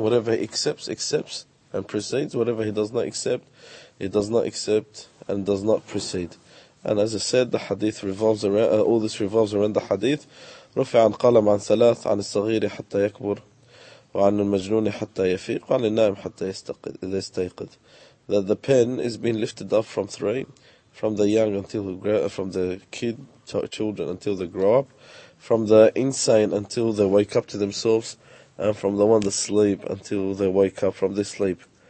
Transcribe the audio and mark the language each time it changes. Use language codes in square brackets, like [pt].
[en] Whatever he accepts, accepts and proceeds. Whatever he does not accept, he does not accept and does not proceed. And as I said, the hadith revolves around all this revolves around the hadith. [ar] رفع عن قلم عن ثلاث عن الصغير حتى يكبر وعن المجنون حتى يفيق وعن النائم حتى يستيقظ. [en] That the pen is being lifted up from three. From the young until the from the kid, children until they grow up, from the insane until they wake up to themselves, and from the one that sleep until they wake up from their sleep.